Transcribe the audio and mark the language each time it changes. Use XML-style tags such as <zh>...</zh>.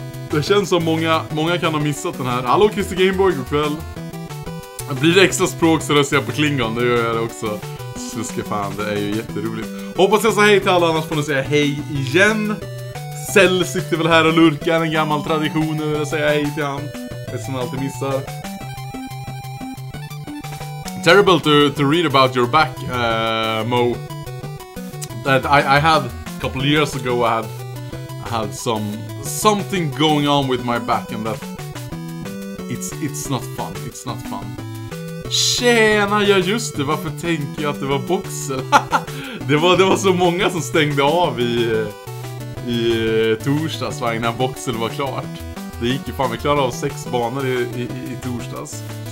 <sv>Det känns som många kan ha missat den här. Hallå, Christy Gameboy, god kväll. Blir det extra språk så röstar jag på Klingon. Det gör jag det också. Sluska fan, det är ju jätteroligt. Hoppas jag sa hej till alla, annars får ni säga hej igen. Cell sitter väl här och lurkar, en gammal tradition över att säga hej till han. Det som alltid missar.</sv> <en>Terrible to read about your back, Mo. That I had... couple of years ago I had something going on with my back and that it's not fun.</en> <sv>Tjena, ja just det, varför tänker jag att det var Boxel? det var så många som stängde av i torsdags va, innan Boxel var klart. Det gick ju fan, vi klarade av 6 banor i torsdags.</sv>